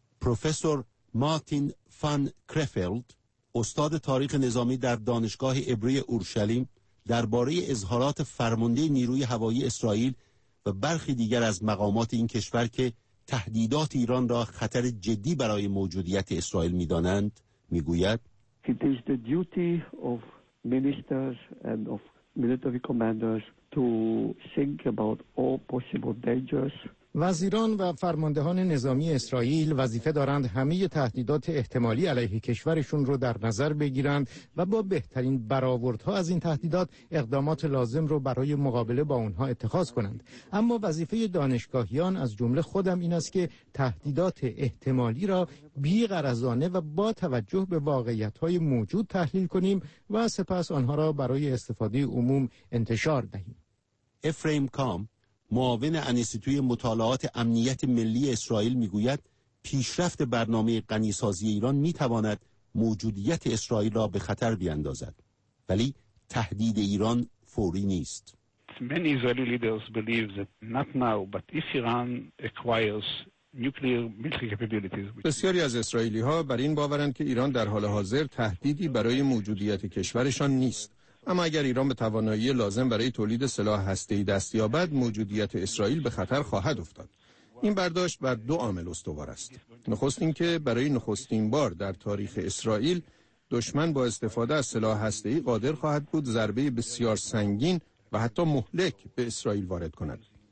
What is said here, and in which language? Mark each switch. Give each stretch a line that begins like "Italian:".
Persian: پروفسور مارتین فان کرفلد استاد تاریخ نظامی در دانشگاه عبری اورشلیم درباره اظهارات فرمانده نیروی هوایی اسرائیل و برخی دیگر از مقامات این کشور که تهدیدات ایران را خطر جدی برای موجودیت اسرائیل می‌دانند می‌گوید
English: It is the duty of ministers and of military commanders to think about all possible dangers.
Persian: وزیران و فرماندهان نظامی اسرائیل وظیفه دارند همه تهدیدات احتمالی علیه کشورشون رو در نظر بگیرند و با بهترین برآوردها از این تهدیدات اقدامات لازم رو برای مقابله با اونها اتخاذ کنند. اما وظیفه دانشگاهیان از جمله خودم این است که تهدیدات احتمالی را بی‌غرضانه و با توجه به واقعیت‌های موجود تحلیل کنیم و سپس آنها را برای استفاده عموم انتشار دهیم. افریم کام معاون انستیتوی مطالعات امنیت ملی اسرائیل میگوید پیشرفت برنامه غنی‌سازی ایران میتواند موجودیت اسرائیل را به خطر بیاندازد، ولی تهدید ایران فوری نیست.
English: Many Israeli leaders believe that not now, but if Iran acquires nuclear military capabilities.
Persian: بسیاری از اسرائیلی‌ها بر این باورند که ایران در حال حاضر تهدیدی برای موجودیت کشورشان نیست. اما اگر ایران به توانایی لازم برای تولید سلاح هسته‌ای دستیابد، موجودیت اسرائیل به خطر خواهد افتاد. این برداشت بر دو عامل استوار است. نخست اینکه برای نخستین بار در تاریخ اسرائیل دشمن با استفاده از سلاح هسته‌ای قادر خواهد بود ضربه بسیار سنگین و حتی مهلک به اسرائیل وارد کند.